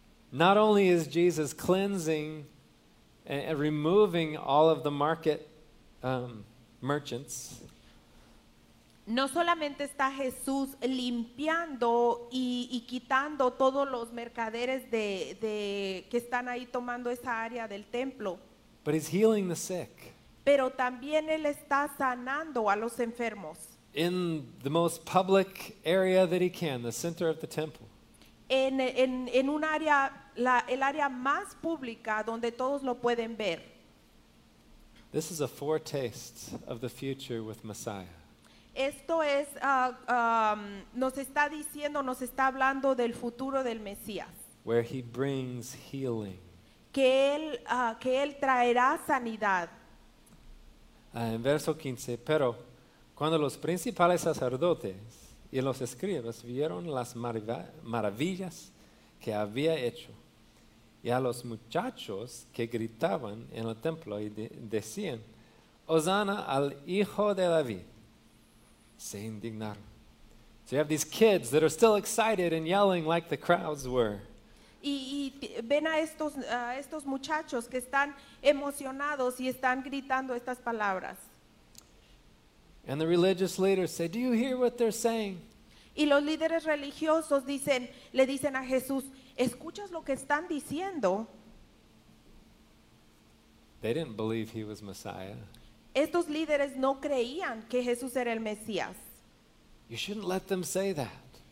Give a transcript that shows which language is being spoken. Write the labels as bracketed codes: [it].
[en] Not only is Jesus cleansing and removing all of the market merchants. [es] No solamente está Jesús limpiando y quitando todos los mercaderes de que están ahí tomando esa área del templo. [en] But he's healing the sick. [es] Pero también él está sanando a los enfermos. [en] In the most public area that he can, the center of the temple. [es] En un área, el área más pública donde todos lo pueden ver. [en] This is a foretaste of the future with Messiah. [es] Esto es, nos está diciendo, nos está hablando del futuro del Mesías. [en] Where he brings healing. [es] Que él traerá sanidad. En verso 15, pero cuando los principales sacerdotes Y los escribas vieron las maravillas que había hecho. Y a los muchachos que gritaban en el templo y decían, Hosanna al Hijo de David, se indignaron. [en] So you have these kids that are still excited and yelling like the crowds were. [es] Y ven a estos muchachos que están emocionados y están gritando estas palabras. [en] And the religious leaders say, "Do you hear what they're saying?" [es] Y los líderes religiosos dicen, le dicen a Jesús, ¿escuchas lo que están diciendo? [en] They didn't believe he was Messiah. [es] Estos líderes no creían que Jesús era el Mesías. [en] You shouldn't let them say that.